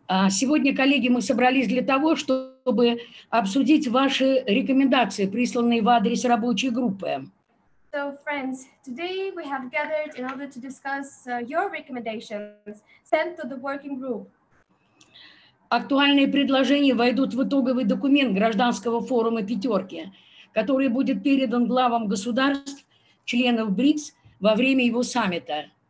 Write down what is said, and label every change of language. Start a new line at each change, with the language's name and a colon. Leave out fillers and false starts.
Russian: Сегодня, коллеги, мы собрались для того, чтобы обсудить ваши рекомендации, присланные в адрес рабочей группы.
English: So, friends, today we have gathered in order to discuss your recommendations sent to the working group.
Russian: Актуальные предложения войдут в итоговый документ гражданского форума «Пятерки», который будет передан главам государств, членов БРИКС, во время его саммита.